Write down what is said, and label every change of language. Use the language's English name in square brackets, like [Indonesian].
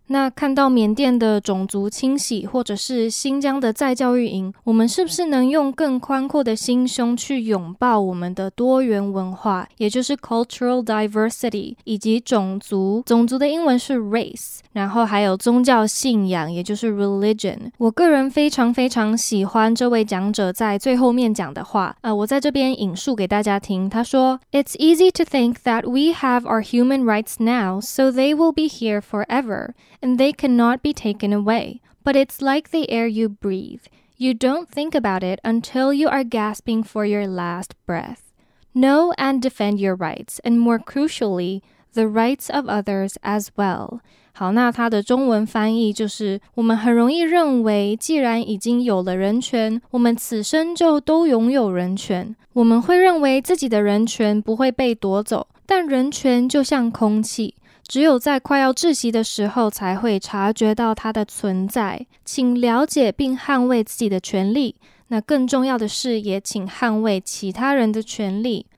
[Chinese] 那看到缅甸的种族清洗，或者是新疆的再教育营，我们是不是能用更宽阔的心胸去拥抱我们的多元文化，也就是 cultural diversity， 以及种族。种族的英文是 race， beliefs， 然后还有宗教信仰，也就是 religion。我个人非常非常喜欢这位讲者在最后面讲的话，我在这边引述给大家听。他说 [English] It's easy to think that we have our human rights now, so they will be here forever, and they cannot be taken away. But it's like the air you breathe. You don't think about it until you are gasping for your last breath. Know and defend your rights, and more crucially, the rights of others as well. [Chinese] 好，那它的中文翻译就是，我们很容易认为既然已经有了人权，我们此生就都拥有人权，我们会认为自己的人权不会被夺走，但人权就像空气，只有在快要窒息的时候才会察觉到它的存在，请了解并捍卫自己的权利，那更重要的是也请捍卫其他人的权利。